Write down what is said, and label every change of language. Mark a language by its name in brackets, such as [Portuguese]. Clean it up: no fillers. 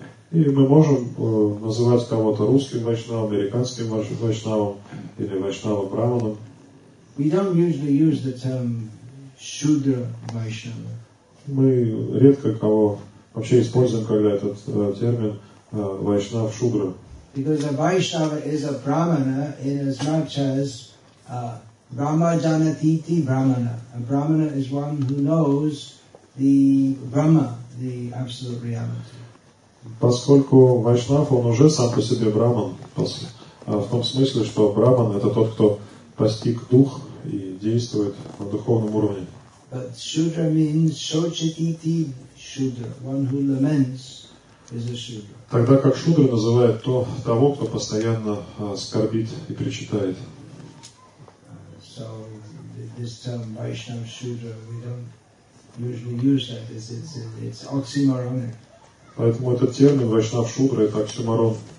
[Russian] И мы можем называть кого-то русским Вайшнавом, американским Вайшнавом, или Вайшнава Брахманом. [English] We don't usually use the term Shudra Vaishnava. [Russian] Мы редко кого вообще используем, когда этот термин Вайшнав Шудра. [English] Because a Vaishnava is a Brahmana in as much as [Sanskrit] Brahma Janatiti Brahmana. [English] A Brahmana is one who knows the Brahma, the absolute reality. [Russian] Поскольку Вайшнав, он уже сам по себе Брахман, в том смысле, что Брахман это тот, кто постиг дух и действует на духовном уровне. [English] But Shudra means [Sanskrit] Shochititi Shudra. [English] One who laments is a Shudra. [Russian] Тогда как Шудра называет того, кто постоянно скорбит и причитает. [English] So this term Vaishnav Shudra, we don't usually use that. It's oxymoronic. [Russian] Поэтому этот термин Вайшнав Шудра это оксюморон.